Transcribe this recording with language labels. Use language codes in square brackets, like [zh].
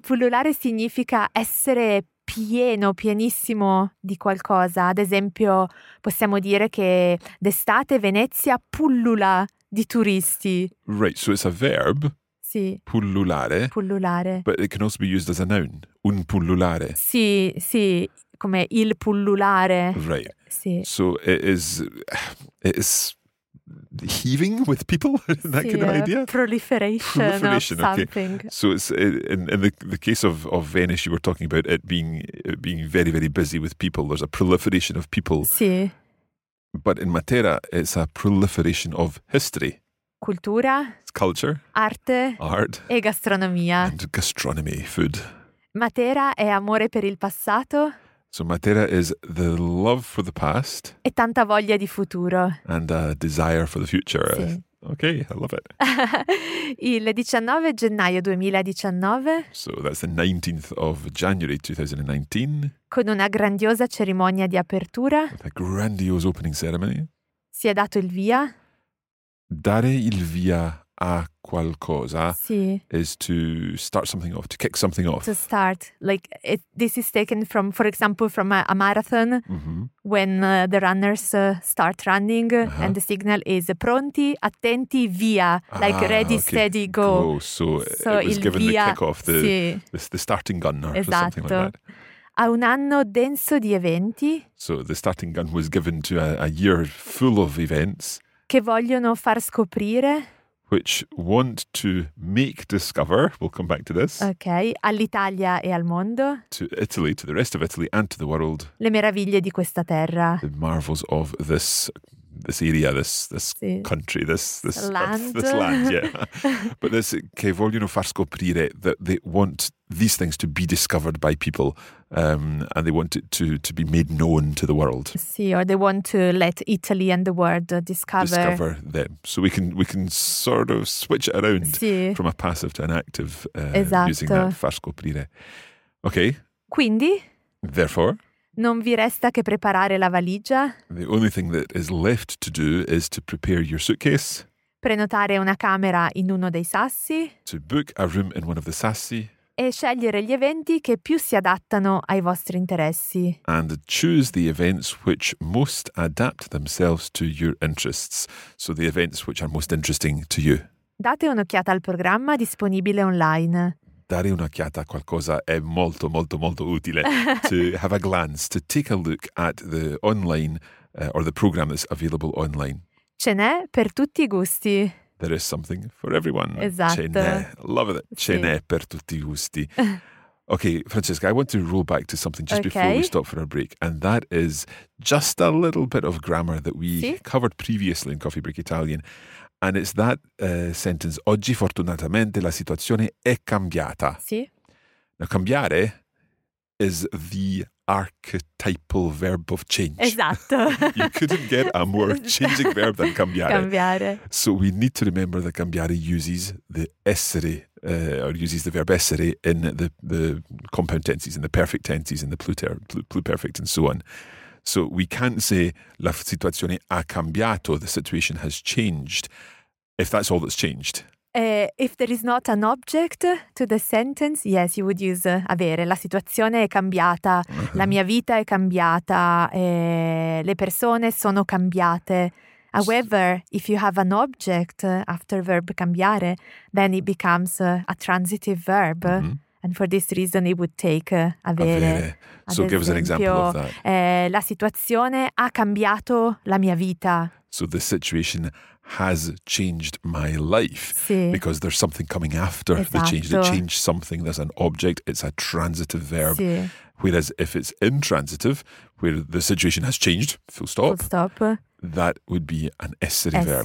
[it] Pullulare significa essere pieno, pienissimo di qualcosa. Ad esempio, possiamo dire che d'estate Venezia pullula di turisti. [en] Right, so it's a verb. [it] Sì. Pullulare. Pullulare. [en] But it can also be used as a noun. [it] Un pullulare. Sì, sì. Come il pullulare. [en] Right. [it] Sì. [en] So it is heaving with people, that [it] sì, [en] kind of idea. Proliferation of something. Okay. So it's in the case of Venice, you were talking about it being very, very busy with people. There's a proliferation of people. [it] Sì. [en] But in Matera, it's a proliferation of history. [it] Cultura. [en] It's culture. [it] Arte. [en] Art. [it] E gastronomia. [en] And gastronomy, food. [it] Matera è amore per il passato. [en] So Matera is the love for the past. [it] E tanta voglia di futuro. [en] And a desire for the future. [it] Sì. [en] Okay, I love it. [it] Il 19 gennaio 2019. [en] So that's the 19th of January 2019. [it] Con una grandiosa cerimonia di apertura. [en] With a grandiose opening ceremony. [it] Si è dato il via. Dare il via a qualcosa, sì, [en] is to start something off, to kick something off. To start. Like, this is taken from, for example, from a marathon, when the runners start running, and the signal is [it] pronti, attenti, via. Ah, [en] like, ready, okay. Steady, go. Oh, so it was given [it] via, [en] the kickoff, the starting gun, or [it] esatto, [en] something like that. [it] A un anno denso di eventi. [en] So the starting gun was given to a year full of events. [it] Che vogliono far scoprire. [en] Which want to make discover, we'll come back to this. [it] Okay, all'Italia e al mondo. [en] To Italy, to the rest of Italy and to the world. Le meraviglie di questa terra. The marvels of this area, this [it] sì, [en] country, this land. This land, yeah. But this, [it] che vogliono far scoprire, [en] that they want these things to be discovered by people, and they want it to be made known to the world. [it] Sì, [en] or they want to let Italy and the world discover them. So we can sort of switch it around, [it] sì, [en] from a passive to an active, [it] esatto, [en] using that, [it] far scoprire. [en] Okay. [it] Quindi? [en] Therefore? [it] Non vi resta che preparare la valigia. [en] The only thing that is left to do is to prepare your suitcase. [it] Prenotare una camera in uno dei Sassi. [en] To book a room in one of the Sassi. [it] E scegliere gli eventi che più si adattano ai vostri interessi. [en] And choose the events which most adapt themselves to your interests. So the events which are most interesting to you. [it] Date un'occhiata al programma disponibile online. Dare un'occhiata a qualcosa è molto, molto, molto utile. [en] To have a glance, to take a look at the online, or the program that's available online. [it] Ce n'è per tutti i gusti. [en] There is something for everyone. [it] Esatto. Ce n'è. [en] Love it. [it] Ce n'è per tutti i gusti. [en] Okay, Francesca, I want to roll back to something just before we stop for a break. And that is just a little bit of grammar that we covered previously in Coffee Break Italian. And it's that sentence, [it] oggi fortunatamente la situazione è cambiata. Sì. [en] Now, cambiare is the archetypal verb of change. [it] Esatto. [en] You couldn't get a more changing verb than cambiare. [it] Cambiare. [en] So we need to remember that cambiare uses the essere, or uses the verb essere in the compound tenses, in the perfect tenses, in the pluperfect and so on. So we can't say [it] la situazione ha cambiato, [en] the situation has changed, if that's all that's changed. If there is not an object to the sentence, yes, you would use avere. [it] La situazione è cambiata, la mia vita è cambiata, le persone sono cambiate. [en] However, if you have an object after verb cambiare, then it becomes a transitive verb. Mm-hmm. And for this reason it would take avere. So give us an example of that. [it] La situazione ha cambiato la mia vita. [en] So the situation has changed my life. [it] Sì. [en] Because there's something coming after [it] esatto. [en] The change. They change something, there's an object, it's a transitive verb. [it] Sì. [en] Whereas if it's intransitive, where the situation has changed, full stop. That would be an essere verb.